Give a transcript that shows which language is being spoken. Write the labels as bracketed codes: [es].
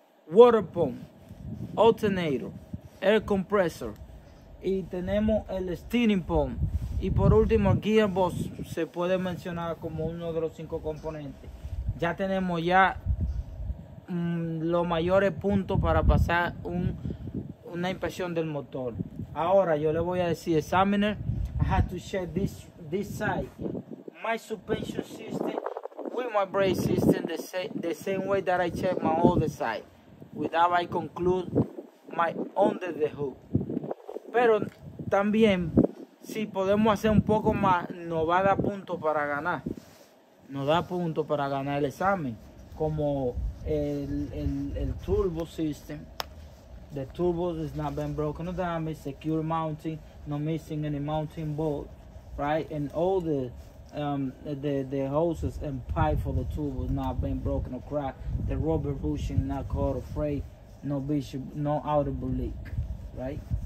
[en] Water pump, alternator, air compressor, [es] y tenemos el [en] steering pump. [es] Y por último, el gearbox se puede mencionar como uno de los 5 componentes. Ya tenemos ya los mayores puntos para pasar una inspección del motor. Ahora yo le voy a decir, [en] examiner, I have to check this side, my suspension system with my brake system the same way that I check my other side, without I conclude my under the hood. [es] Pero también, si podemos hacer un poco más, nos va a dar puntos para ganar. Nos da puntos para ganar el examen, como el turbo system. [en] The turbo has not been broken or damaged, secure mounting, no missing any mounting bolt, right? And all the hoses and pipe for the turbo has not been broken or cracked. The rubber bushing not caught or frayed, no audible leak, right?